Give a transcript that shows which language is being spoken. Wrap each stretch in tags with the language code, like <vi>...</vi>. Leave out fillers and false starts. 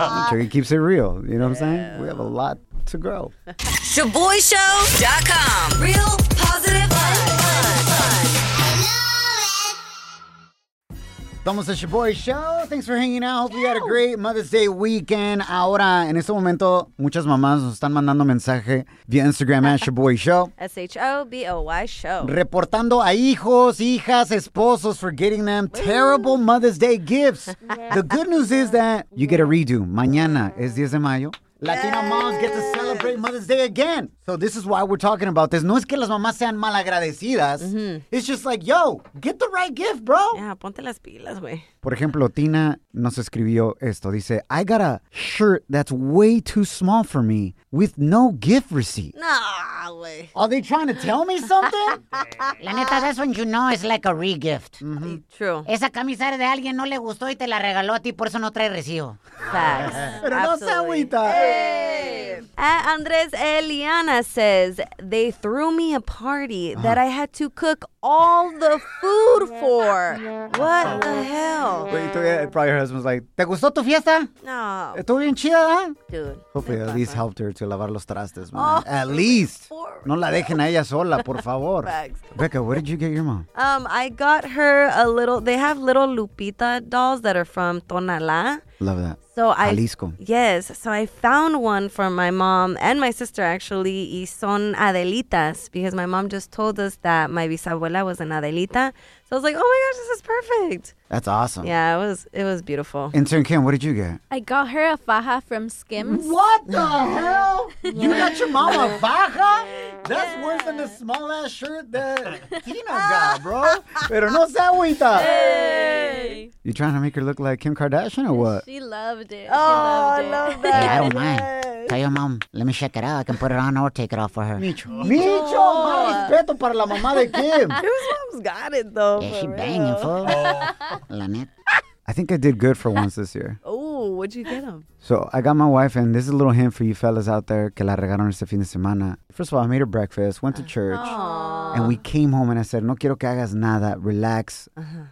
<en>Trigger keeps it real. You know what I'm saying? We have a lot to grow. ShaboyShow.com. Real positive fun.</en> <es>Estamos en</es> <en>Shaboy Show. Thanks for hanging out. Hope you had a great Mother's Day weekend.</en> <es>Ahora, en este momento, muchas mamás nos están mandando mensaje via Instagram at Shaboy Show. S-H-O-B-O-Y Show. Reportando a hijos, hijas, esposos</es> <en>for getting them terrible Mother's Day gifts. Yeah. The good news is that you get a redo.</en> <es>Mañana es 10 de mayo.</es> <en>Latina moms get to celebrate Mother's Day again. So this is why we're talking about this.</en> <es>No es que las mamás sean malagradecidas. Mm-hmm.</es> <en>It's just like, yo, get the right gift, bro.</en> <es>Yeah, ponte las pilas, güey. Por ejemplo, Tina nos escribió esto.</es> <en>Dice, I got a shirt that's way too small for me with no gift receipt.</en> <es>Nah, güey.</es> <en>Are they trying to tell me something?</en> <es>La neta,</es> <en>that's when you know it's like a re-gift. Mm-hmm. True.</en> <es>Esa camisa de alguien no le gustó y te la regaló a ti, por eso no trae recibo.</es> <en>Facts.</en> <es>Pero no se agüita.</es> <en>Hey. Andres Eliana says, they threw me a party that I had to cook all the food for. What the hell? Wait, probably her husband's like,</en> <es>¿te gustó tu fiesta?</es> <en>No.</en> <es>¿Estuvo bien chida, huh?</es> <en>Dude. Hopefully at least helped her to</en> <es>lavar los trastes,</es> <en>man. Oh, at least.</en> <es>No la dejen a ella sola, por favor.</es> <en>Becca, where did you get your mom? I got her a little, they have little Lupita dolls that are from Tonalá. Love that. So Jalisco. Yes. So I found one for my mom and my sister, actually,</en> <es>y son Adelitas,</es> <en>because my mom just told us that my bisabuela was an Adelita. So I was like, oh my gosh, this is perfect. That's awesome. Yeah, it was beautiful. Intern Kim, what did you get? I got her a faja from Skims. What the hell? You got your mom a faja? That's worse than the small ass shirt that Tina got, bro.</en> <es>Pero no se agüita.</es> <en>Hey. You trying to make her look like Kim Kardashian or what? She loved it. I love that. Hey, I don't mind. Tell your mom, let me check it out. I can put it on or take it off for her.</en> <es>Micho, más respeto para la mamá de Kim.</es> <en>His mom's got it, though. Yeah, she banging, fool.</en> <es>La net.</es> <en>I think I did good for once this year. Oh, what'd you get him? So I got my wife, and this is a little hint for you fellas out there,</en> <es>que la regaron este fin de semana.</es> <en>First of all, I made her breakfast, went to church, and we came home, and I said,</en> <es>no quiero que hagas nada,</es> <en>relax. Uh-huh.</en>